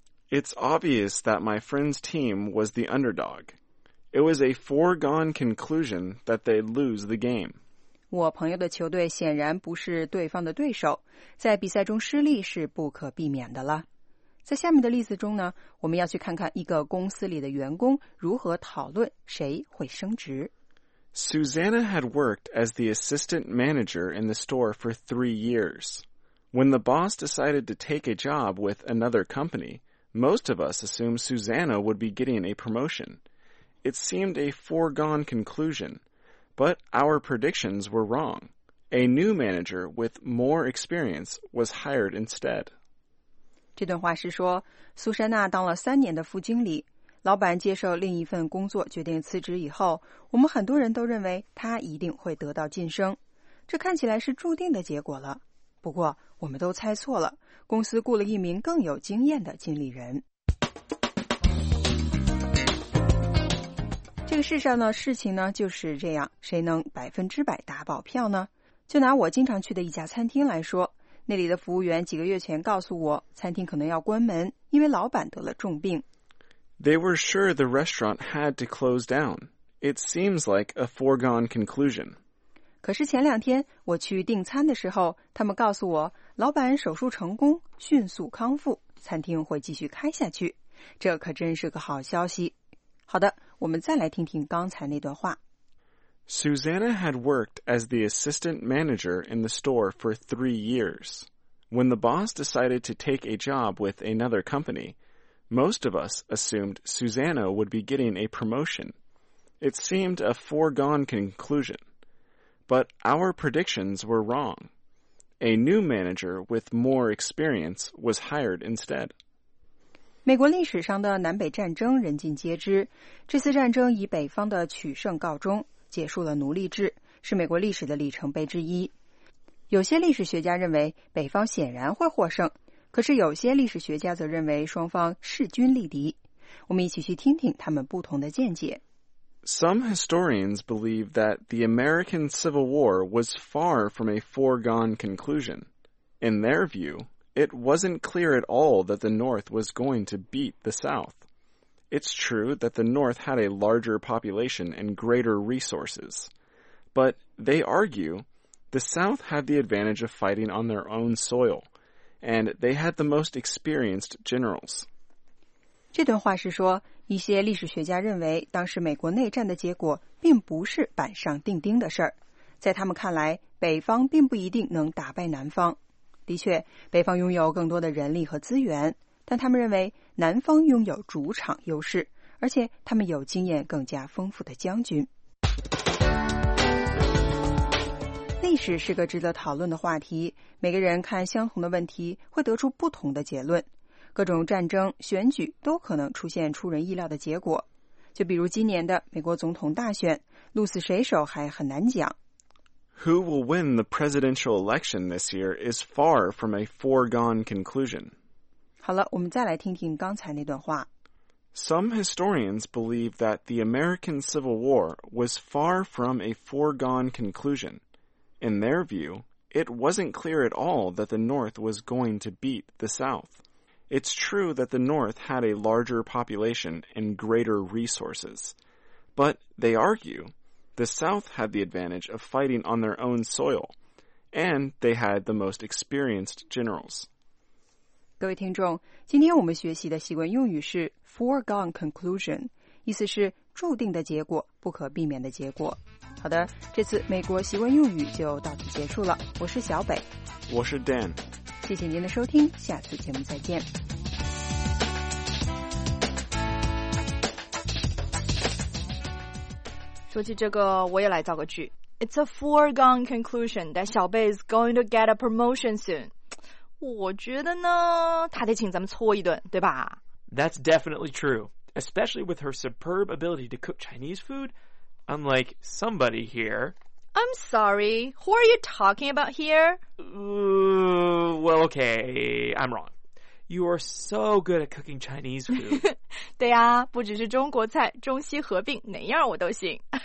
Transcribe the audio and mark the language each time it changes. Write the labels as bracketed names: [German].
[English] It's obvious that my friend's team was the underdog. It was a foregone conclusion that they'd lose the game. [Chinese] 我朋友的球队显然不是对方的对手，在比赛中失利是不可避免的了。在下面的例子中呢，我们要去看看一个公司里的员工如何讨论谁会升职。 [English] Susanna had worked as the assistant manager in the store for 3 years. When the boss decided to take a job with another company, most of us assumed Susanna would be getting a promotion. It seemed a foregone conclusion, but our predictions were wrong. A new manager with more experience was hired instead. [Chinese] 这段话是说，苏珊娜当了3年的副经理，老板接受另一份工作决定辞职以后，我们很多人都认为她一定会得到晋升。这看起来是注定的结果了。不过我们都猜错了，公司雇了一名更有经验的经理人。这个世上呢，事情呢就是这样，谁能百分之百打保票呢？就拿我经常去的一家餐厅来说，那里的服务员几个月前告诉我，餐厅可能要关门，因为老板得了重病。 [English] They were sure the restaurant had to close down. It seems like a foregone conclusion. [Chinese] 可是前两天我去订餐的时候，他们告诉我老板手术成功，迅速康复，餐厅会继续开下去，这可真是个好消息。好的，我们再来听听刚才那段话。 [English] Susanna had worked as the assistant manager in the store for 3 years. When the boss decided to take a job with another company, most of us assumed Susanna would be getting a promotion. It seemed a foregone conclusionBut our predictions were wrong. A new manager with more experience was hired instead. [Chinese] 美国历史上的南北战争人尽皆知，这次战争以北方的取胜告终，结束了奴隶制，是美国历史的里程碑之一。有些历史学家认为北方显然会获胜，可是有些历史学家则认为双方势均力敌。我们一起去听听他们不同的见解。 [English] Some historians believe that the American Civil War was far from a foregone conclusion. In their view, it wasn't clear at all that the North was going to beat the South. It's true that the North had a larger population and greater resources. But, they argue, the South had the advantage of fighting on their own soil, and they had the most experienced generals. [Chinese] 这段话是说一些历史学家认为当时美国内战的结果并不是板上钉钉的事儿。在他们看来，北方并不一定能打败南方。的确，北方拥有更多的人力和资源，但但他们认为南方拥有主场优势，而且他们有经验更加丰富的将军。历史是个值得讨论的话题，每个人看相同的问题会得出不同的结论，各种战争、选举都可能出现出人意料的结果。就比如今年的美国总统大选，鹿死谁手还很难讲。 [English] Who will win the presidential election this year is far from a foregone conclusion. [Chinese] 好了，我们再来听听刚才那段话。 [English] Some historians believe that the American Civil War was far from a foregone conclusion. In their view, it wasn't clear at all that the North was going to beat the South. It's true that the North had a larger population and greater resources. But they argue... The South had the advantage of fighting on their own soil, and they had the most experienced generals. [Chinese] 各位听众，今天我们学习的习惯用语是 foregone conclusion, 意思是注定的结果，不可避免的结果。好的，这次美国习惯用语就到此结束了。我是小北。我是 Dan。谢谢您的收听，下次节目再见。说起这个，我也来造个句。 [English] It's a foregone conclusion that 小贝 is going to get a promotion soon. [Chinese] 我觉得呢，他得请咱们搓一顿，对吧 [English] ？That's definitely true, especially with her superb ability to cook Chinese food. Unlike somebody here. I'm sorry. Who are you talking about here? Well, okay, I'm wrong. You are so good at cooking Chinese food. [Chinese] 对啊，不只是中国菜，中西合并哪样我都行。